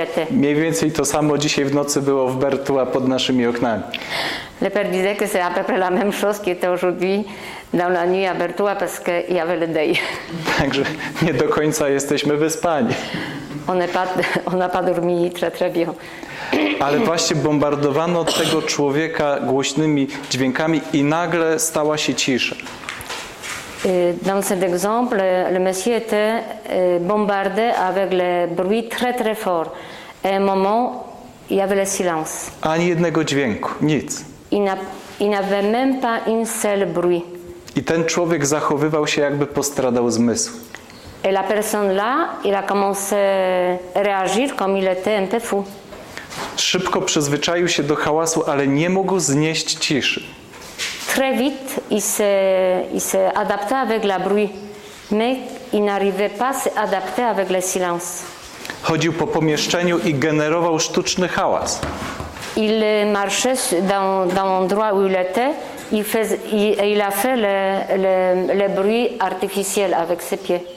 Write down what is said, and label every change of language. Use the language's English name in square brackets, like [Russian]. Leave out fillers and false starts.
[Polish] Mniej więcej to samo dzisiaj w nocy było w Bertua pod naszymi oknami. [French] Le père disait que c'est à peu près la même chose qui était aujourd'hui dans la nuit à Bertua parce que il y avait le deuil. [Polish] Także nie do końca jesteśmy wyspani. [French] On n'a pas dormi très très bien. [Polish] Ale właśnie bombardowano tego człowieka głośnymi dźwiękami i nagle stała się cisza. [French] Dans cet exemple, le monsieur était bombardé avec le bruit très très fort. Et un moment, il y avait le silence. [Polish] Ani jednego dźwięku, nic. [French] Il n'avait même pas un seul bruit. [Polish] I ten człowiek zachowywał się, jakby postradał zmysł. [French] Et la personne là, il a commencé à réagir comme il était un peu fou. [Polish] Szybko przyzwyczaił się do hałasu, ale nie mógł znieść ciszy. [French] Très vite, il s'est adapté avec la bruit, mais il n'arrivait pas à s'adapter avec le silence. [Polish] Chodził po pomieszczeniu i generował sztuczny hałas. [French] Il marchait dans l'endroit où il était, il a fait le bruit artificiel avec ses pieds.